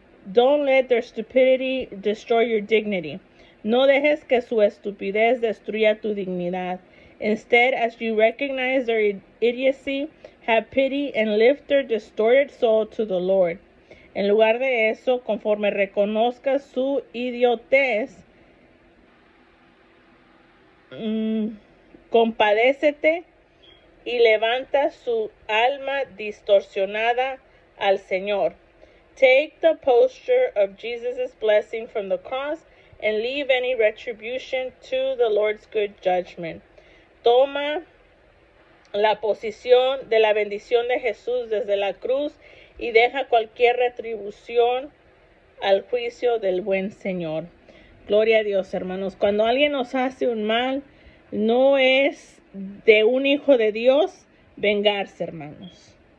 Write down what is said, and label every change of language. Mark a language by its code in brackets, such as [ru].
[en] Don't let their stupidity destroy your dignity. [es] No dejes que su estupidez destruya tu dignidad. [en] Instead, as you recognize their idiocy, have pity and lift their distorted soul to the Lord. [es] En lugar de eso, conforme reconozca su idiotez, compadécete y levanta su alma distorsionada al Señor. [en] Take the posture of Jesus' blessing from the cross and leave any retribution to the Lord's good judgment. [es] Toma la posición de la bendición de Jesús desde la cruz y deja cualquier retribución al juicio del buen Señor. Gloria a Dios, hermanos. Cuando alguien nos hace un mal, no es de un hijo de Dios vengarse, hermanos.